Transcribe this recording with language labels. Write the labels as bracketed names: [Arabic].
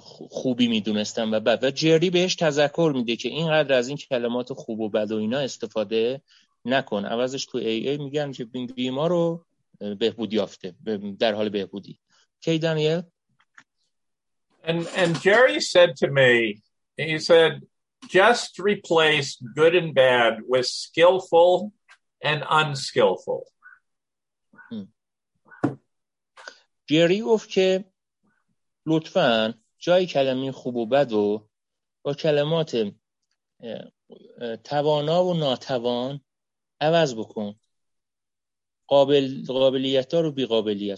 [Persian] خوبی میدونستم و بعد جری بهش تذکر میده که اینقدر از این کلمات خوب و بد و اینا استفاده نکن، عوضش تو ای ای میگن که بیمار رو بهبود یافته، در حال بهبودی. کی دانیل؟ [English] And Jerry said to me, he said, just replace good and bad with skillful and unskillful. [Persian] جری گفت که لطفاً جای کلمه خوب و بد رو با کلمات توانا و ناتوان عوض بکن، قابلیت ها رو بی قابلیت.